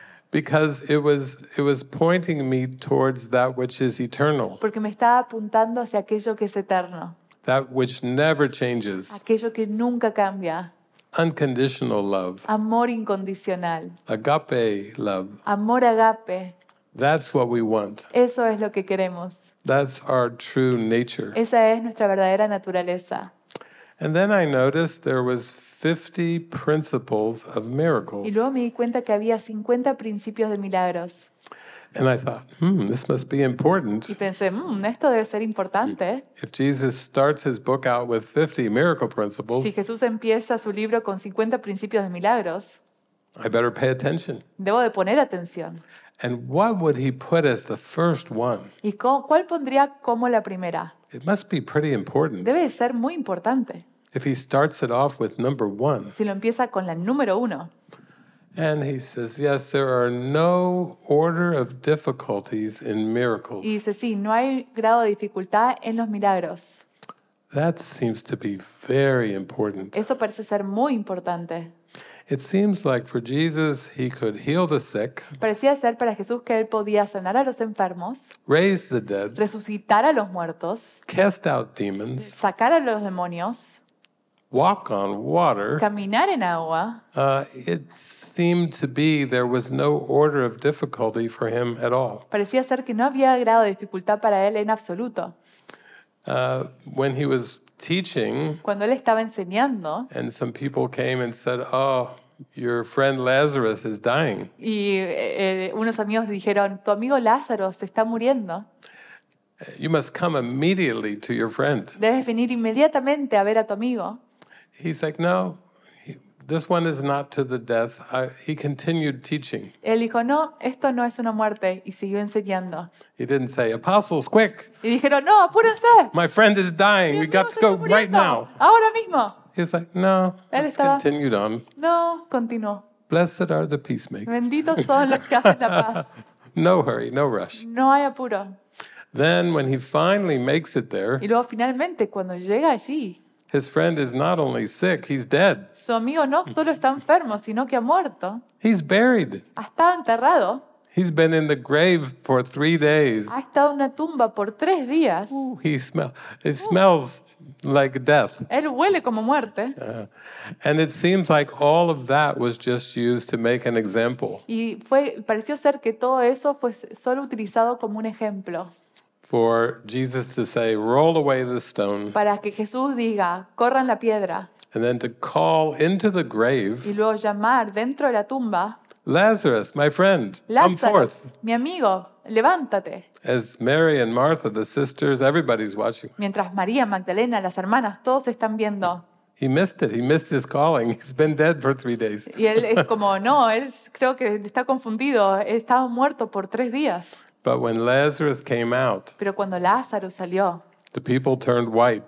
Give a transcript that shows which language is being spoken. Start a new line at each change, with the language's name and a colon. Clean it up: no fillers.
English: Because it was pointing me towards that which is eternal.
Spanish: Porque me estaba apuntando hacia aquello que es eterno.
English: That which never changes.
Spanish: Aquello que nunca cambia.
English: Unconditional love.
Spanish: Amor incondicional.
English: Agape love.
Spanish: Amor agape.
English: That's what we want.
Spanish: Eso es lo que queremos.
English: That's our true nature.
Spanish: Esa es nuestra verdadera naturaleza.
English: And then I noticed there was 50 principles of miracles.
Spanish: Y luego me di cuenta que había 50 principios de milagros.
English: And I thought, this must be important.
Spanish: Y pensé, esto debe ser importante.
English: If Jesus starts his book out with 50 miracle principles,
Spanish: si Jesús empieza su libro con 50 principios de milagros,
English: I better pay attention.
Spanish: Debo de poner atención.
English: And what would he put as the first one?
Spanish: ¿Y cuál pondría como la primera?
English: It must be pretty important.
Spanish: Debe de ser muy importante.
English: If he starts it off with number one.
Spanish: Si lo empieza con la número uno.
English: And he says, yes, there are no order of difficulties in miracles.
Spanish: Y dice, sí, no hay grado de dificultad en los milagros.
English: That seems to be very important.
Spanish: Eso parece ser muy importante.
English: It seems like for Jesus he could heal the sick.
Spanish: Parecía ser para Jesús que él podía sanar a los enfermos.
English: Raise the dead.
Spanish: Resucitar a los muertos.
English: Cast out demons.
Spanish: Sacar a los demonios.
English: Walk on water.
Spanish: Caminar en agua.
English: It seemed to be there was no order of difficulty for him at all.
Spanish: Parecía ser que no había grado de dificultad para él en absoluto.
English: When he was teaching,
Spanish: cuando él estaba enseñando,
English: and some people came and said, "Oh, your friend Lazarus is dying."
Spanish: Y unos amigos dijeron, "Tu amigo Lázaro se está muriendo."
English: You must come immediately to your friend.
Spanish: Debes venir inmediatamente a ver a tu amigo.
English: He's like, no, this one is not to the death. He continued teaching.
Spanish: Él dijo, no, esto no es una muerte, y siguió enseñando.
English: He didn't say, apostles, quick.
Spanish: Y dijeron, no, apúrense.
English: My friend is dying. We got to go right now.
Spanish: Ahora mismo.
English: He's like, no.
Spanish: Él estaba,
English: continued on.
Spanish: No, continuó.
English: Blessed are the peacemakers.
Spanish: Benditos son los que hacen la paz.
English: No hurry, no rush.
Spanish: No hay apuro.
English: Then when he finally makes it there.
Spanish: Y luego finalmente cuando llega allí.
English: His friend is not only sick, he's dead.
Spanish: Su amigo no solo está enfermo, sino que ha muerto.
English: He's buried.
Spanish: Ha estado enterrado.
English: He's been in the grave for 3 days.
Spanish: Ha estado en una tumba por 3 días.
English: It smells like death.
Spanish: Él huele como muerte.
English: And it seems like all of that was just used to make an example.
Spanish: Y pareció ser que todo eso fue solo utilizado como un ejemplo.
English: For Jesus to say, "Roll away the stone."
Spanish: Para que Jesús diga, corran la piedra.
English: And then to call into the grave.
Spanish: Y luego llamar dentro de la tumba.
English: Lazarus, my friend, come forth.
Spanish: Mi amigo, levántate.
English: As Mary and Martha, the sisters, everybody's watching.
Spanish: Mientras María, Magdalena, las hermanas, todos están viendo.
English: He missed it. He missed his calling. He's been dead for 3 days.
Spanish: Y él es como, no, él creo que está confundido. Él estaba muerto por 3 días.
English: But when Lazarus came out,
Spanish: pero cuando Lázaro salió,
English: the people turned white.